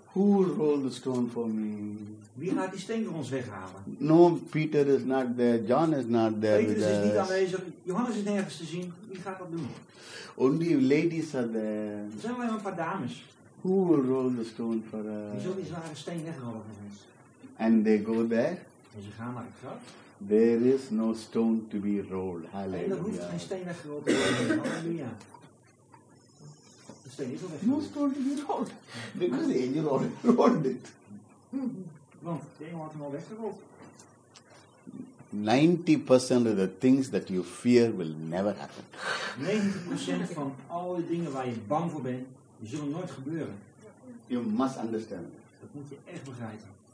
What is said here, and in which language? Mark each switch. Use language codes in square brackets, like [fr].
[en] Who rolled the stone for me? [nl] Wie gaat die steen voor ons weghalen? [en] No, Peter is not there. John is not there. [nl] Petrus is niet aanwezig. Johannes is nergens te zien. Wie gaat dat doen? [en] Only ladies are there. [nl] Er zijn alleen maar een paar dames. [en] Who will roll the stone for us? [nl] Wie zal die zware steen wegrollen voor ons? [en] And they go there. [nl] En ze gaan naar het graf. [en] There is no stone to be rolled. Hallelujah. [nl] En er hoeft geen steen weggerold te worden. Halleluja. De steen is al weggerold. [en] No stone to be rolled. Because the angel already rolled it. [nl] Want de engel had hem al weggerold. [en] 90% of the things that you fear will never happen. [nl] 90% van alle dingen waar je bang voor bent, die zullen nooit gebeuren. [en] You must understand. [nl] Dat moet je echt begrijpen.